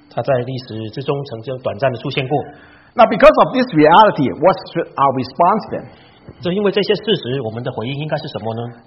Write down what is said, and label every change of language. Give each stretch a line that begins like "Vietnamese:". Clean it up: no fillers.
Chinese: 他在历史之中曾经短暂的出现过。
English: Now because of this reality, what should our response then?
Chinese: 就因为这些事实，我们的回应应该是什么呢？